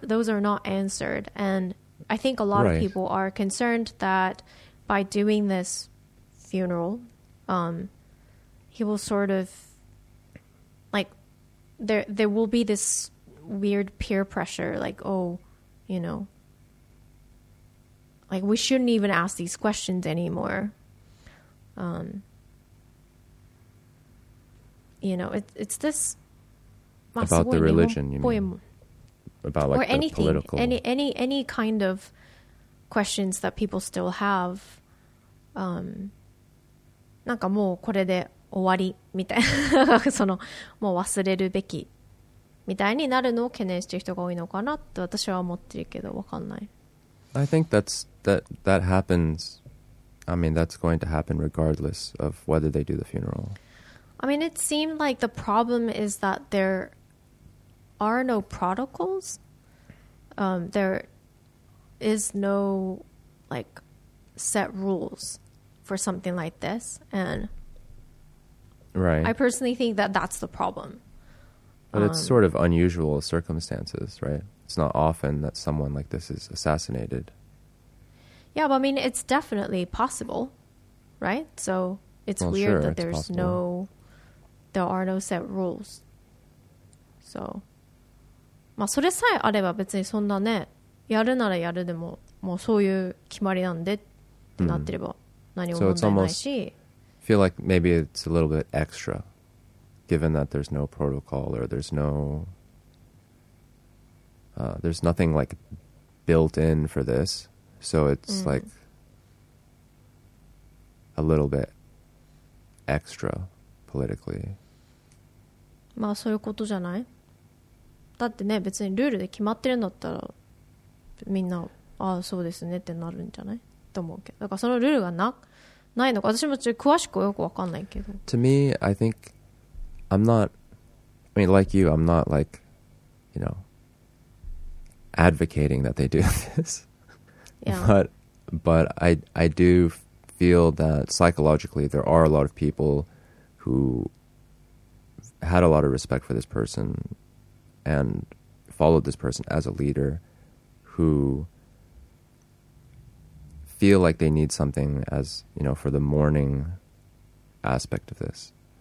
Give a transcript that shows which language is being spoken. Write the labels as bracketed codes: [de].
[en] Those are not answered, and I think a lot of people are concerned that by doing this funeral, he will sort of, like, there will be this weird peer pressure, like, oh, you know, like, we shouldn't even ask these questions anymore. You know, it's this about the religion, you mean? About, like, or anything, the political, any kind of questions that people still have. [ja] なんかもうこれで終わりみたいな、そのもう忘れるべきみたいになるのを懸念している人が多いのかなって私は思ってるけど、わかんない。 [en] I think that happens. I mean, that's going to happen regardless of whether they do the funeral. I mean, it seemed like the problem is that there are no protocols. There is no, like, set rules for something like this, and right, I personally think that that's the problem. But it's sort of unusual circumstances, right? It's not often that someone like this is assassinated. Yeah, but I mean, it's definitely possible, right? So it's weird, sure, that there's no, there are no set rules. [ja] So, まあそれさえあれば別にそんなね、やるならやるでも、もうそういう決まりなんでってなってれば。 [en] So it's almost, I feel like maybe it's a little bit extra, given that there's no protocol or there's no, there's nothing like built in for this. So it's like a little bit extra politically. [ja] まあそういうことじゃない。だってね、別にルールで決まってるんだったら、みんな、ああそうですねってなるんじゃない？と思うけど。だからそのルールがないのか、私もちょっと詳しくよくわかんないけど。 [en] To me, I think I'm not, I mean, like you, I'm not, like, you know, advocating that they do this. Yeah. But I do feel that psychologically there are a lot of people who had a lot of respect for this person and followed this person as a leader, who feel like they need something, as, you know, for the mourning aspect of this.